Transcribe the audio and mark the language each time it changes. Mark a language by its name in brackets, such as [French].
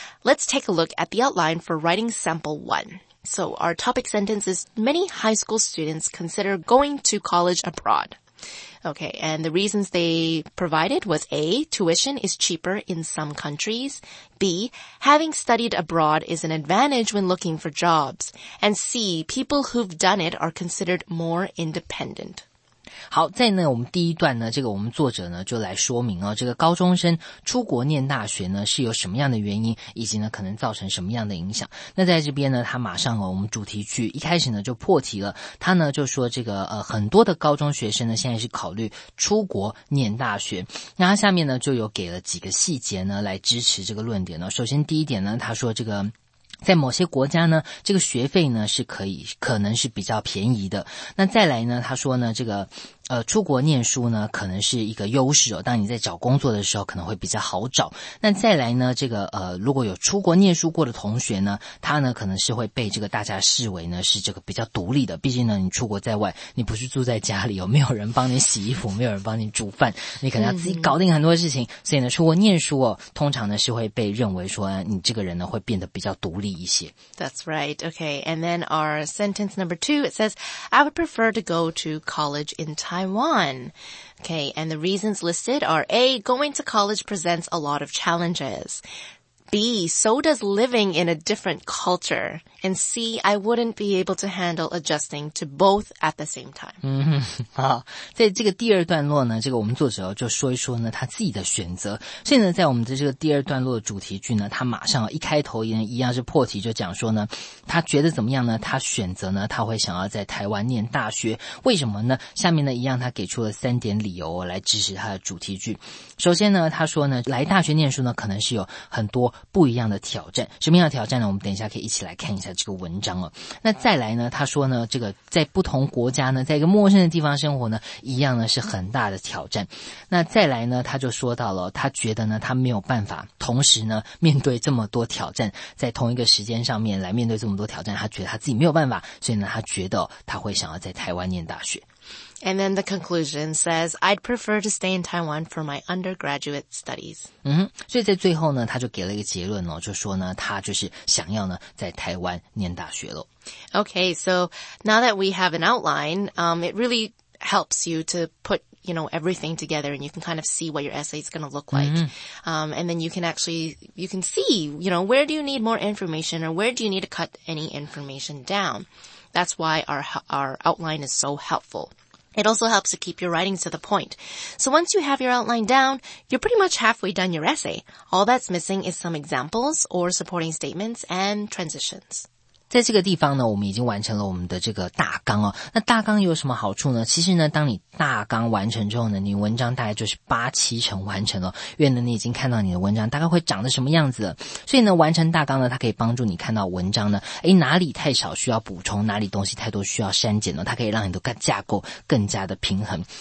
[English] Let's take a look at the outline for writing sample one. So our topic sentence is, many high school students consider going to college abroad. Okay, and the reasons they provided was A, tuition is cheaper in some countries. B, having studied abroad is an advantage when looking for jobs. And C, people who've done it are considered more independent. [Chinese] 好，在呢我们第一段呢，这个我们作者呢就来说明哦，这个高中生出国念大学呢是有什么样的原因，以及呢可能造成什么样的影响。那在这边呢，他马上哦，我们主题句一开始呢就破题了，他呢就说这个很多的高中学生呢现在是考虑出国念大学。那他下面呢就有给了几个细节呢来支持这个论点呢。首先第一点呢，他说这个在某些国家呢，这个学费呢是可能是比较便宜的。那再来呢，他说呢，这个出国念书呢可能是一个优势哦，当你在找工作的时候可能会比较好找。那再来呢，这个如果有出国念书过的同学呢，他呢可能是会被这个大家视为呢是这个比较独立的，毕竟呢你出国在外，你不是住在家里哦，没有人帮你洗衣服，没有人帮你煮饭，你可能要自己搞定很多事情。所以呢出国念书哦，通常呢是会被认为说你这个人呢会变得比较独立一些。 [English] That's right. Okay, and then our sentence number two, it says I would prefer to go to college in Taiwan. Okay, and the reasons listed are A, going to college presents a lot of challenges. B, so does living in a different culture. And C, I wouldn't be able to handle adjusting to both at the same time. [Chinese] 嗯，好，在这个第二段落呢，这个我们作者就说一说呢他自己的选择。所以呢在我们的这个第二段落的主题句呢，他马上一开头一样是破题，就讲说呢他觉得怎么样呢，他选择呢他会想要在台湾念大学。为什么呢？下面呢一样他给出了三点理由来支持他的主题句。首先呢他说呢，来大学念书呢可能是有很多不一样的挑战。什么样的挑战呢？我们等一下可以一起来看一下这个文章哦。那再来呢，他说呢，这个在不同国家呢，在一个陌生的地方生活呢，一样呢是很大的挑战。那再来呢，他就说到了，他觉得呢，他没有办法同时呢面对这么多挑战，在同一个时间上面来面对这么多挑战，他觉得他自己没有办法，所以呢，他觉得他会想要在台湾念大学。 [English] And then the conclusion says, I'd prefer to stay in Taiwan for my undergraduate studies. [Chinese] 嗯，所以在最后呢，他就给了一个结论哦，就说呢，他就是想要呢，在台湾念大学咯。 [English] Okay, so now that we have an outline, it really helps you to put, you know, everything together and you can kind of see what your essay is going to look like. Mm-hmm. And then you can see, you know, where do you need more information or where do you need to cut any information down? That's why our outline is so helpful. It also helps to keep your writing to the point. So once you have your outline down, you're pretty much halfway done your essay. All that's missing is some examples or supporting statements and transitions. [Chinese] 在这个地方呢，我们已经完成了我们的这个大纲哦。那大纲有什么好处呢？其实呢，当你大纲完成之后呢，你文章大概就是八七成完成了，因为呢，你已经看到你的文章大概会长得什么样子了。所以呢，完成大纲呢，它可以帮助你看到文章呢，诶，哪里太少需要补充，哪里东西太多需要删减呢，它可以让你的架构更加的平衡。